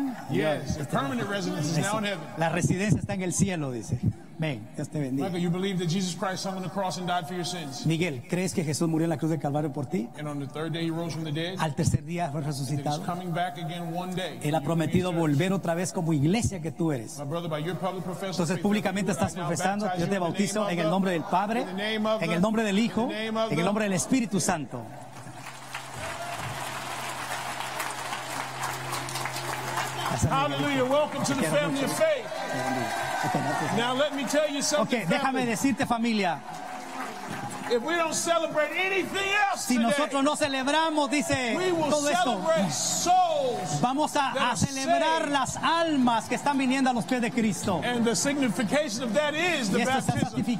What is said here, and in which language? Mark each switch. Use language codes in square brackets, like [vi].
[en] Yes, the permanent residence is now in heaven. [es] La residencia está en el cielo, dice. Amén. Dios te bendiga. [en] Michael, you believe that Jesus Christ hung on the cross and died for your sins. [es] Miguel, ¿crees que Jesús murió en la cruz del Calvario por ti? [en] And on the third day he rose from the dead. [es] Al tercer día fue resucitado. [en] And he's coming back again one day. [es] Él ha prometido volver otra vez como iglesia que tú eres. [en] My brother, by your public profession. [es] Entonces públicamente estás profesando, yo te bautizo en el nombre del Padre, en el nombre del Hijo, en el nombre del Espíritu Santo. [en] Hallelujah. Welcome to the family of faith. Now let me tell you something. [es] Okay, déjame decirte, familia. [en] If we don't celebrate anything else today, [es] si nosotros no celebramos, dice, [en] we will [es] todo esto, [en] celebrate souls. [es] Vamos a celebrar las almas que están viniendo a los pies de Cristo. [en] And the signification of that is the baptism.